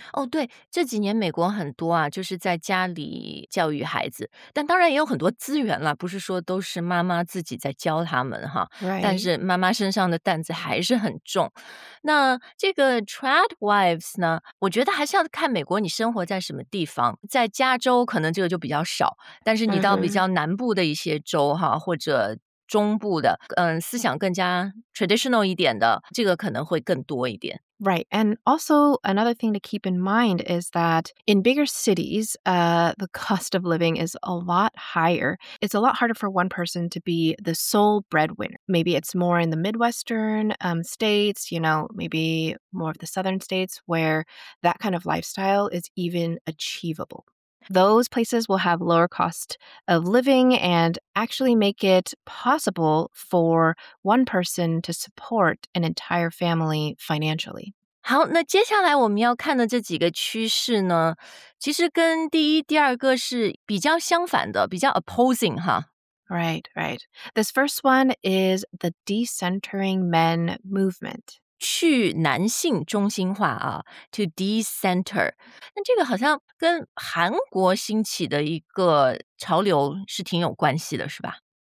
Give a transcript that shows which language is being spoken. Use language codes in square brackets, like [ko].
[zh] Oh, 对，这几年美国很多啊，就是在家里教育孩子，但当然也有很多资源了，不是说都是妈妈自己在教他们哈。 [en] Right. [zh] 但是妈妈身上的担子还是很重。那这个 trad wives 呢，我觉得还是要看美国你生活在什么地方。在加州可能这个就比较少，但是你到比较南部的一些州哈，或者中部的，思想更加 traditional 一点的，这个可能会更多一点。 [en] Right. And also another thing to keep in mind is that in bigger cities, the cost of living is a lot higher. It's a lot harder for one person to be the sole breadwinner. Maybe it's more in the Midwestern states, you know, maybe more of the Southern states where that kind of lifestyle is even achievable. Those places will have lower cost of living and actually make it possible for one person to support an entire family financially. [zh] 好，那接下来我们要看的这几个趋势呢，其实跟第一、第二个是比较相反的，比较 opposing 哈。 [en] Right, right. This first one is the decentering men movement. [zh] 去男性中心化啊 ， [en] to decenter， [zh] 那这个好像跟韩国兴起的一个潮流是挺有关系的，是吧